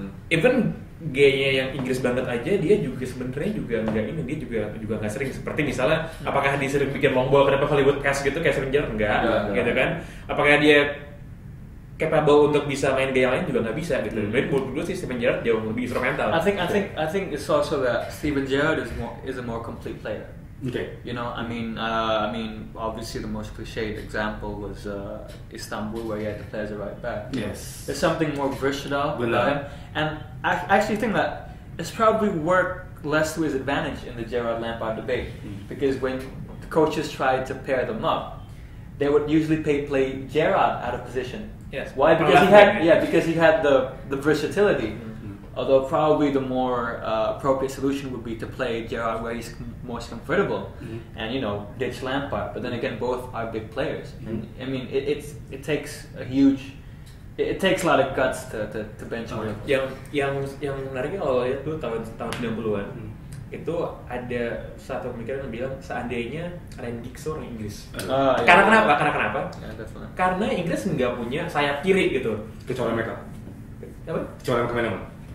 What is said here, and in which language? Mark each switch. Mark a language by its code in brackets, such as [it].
[id] Even gayanya yang Inggris banget aja dia juga sebenarnya juga enggak ini dia juga enggak sering seperti misalnya apakah dia sering bikin long ball kenapa Hollywood pass gitu kayak Stevie G enggak. Gitu kan apakah dia capable untuk bisa main gaya lain juga enggak bisa gitu. Main buat dulu sih Stevie G jauh lebih instrumental. [en] I think it's also that Stevie G is a more complete player. Okay. You know, I mean, obviously the most cliched example was Istanbul, where he had to play as a right back. Yes. There's something more versatile about him, and I actually think that it's probably worked less to his advantage in the Gerrard Lampard debate, because when the coaches tried to pair them up, they would usually play Gerrard out of position. Yes. Why? Because he had the versatility. Although probably the more appropriate solution would be to play Gerrard where he's most comfortable, and you know ditch Lampard. But then again, both are big players, and I mean it takes a huge, it takes a lot of guts to bench one. [id] Yang menariknya kalau lihat tuh tahun 90-an itu ada satu pemikiran yang bilang seandainya ada yang Dixon di Inggris. Karena kenapa? [en] Yeah, [id] karena Inggris nggak punya sayap kiri gitu. Kecuali mereka. Apa? Kecuali mereka mana?